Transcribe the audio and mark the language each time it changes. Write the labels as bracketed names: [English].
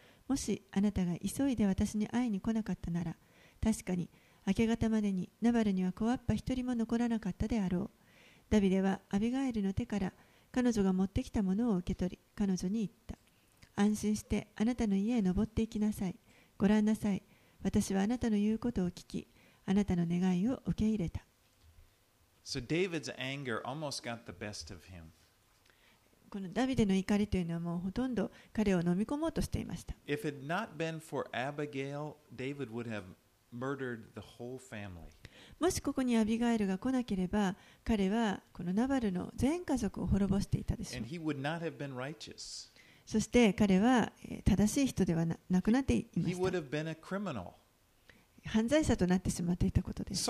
[Japanese] もしあなたが急いで私に会いに来なかったなら、確かに明け方までにナバルには小アッパ一人も残らなかったであろう。ダビデはアビガエルの手から彼女が持ってきたものを受け取り、彼女に言った。安心してあなたの家へ登っていきなさい。ご覧なさい、私はあなたの言うことを聞き、あなたの願いを受け入れた。 [English] So David's anger almost got the best of him. [Japanese] このダビデの怒りというのはもうほとんど彼を飲み込もうとしていました。 [English] If it had not been for Abigail, David would have murdered the whole family. [Japanese] もしここにアビガエルが来なければ、彼はこのナバルの全家族を滅ぼしていたでしょう。 [English] And he would not have been righteous. [Japanese] そして彼は正しい人ではなくなっていました。 [English] He would have been a criminal. [Japanese] 犯罪者となってしまっていたことです。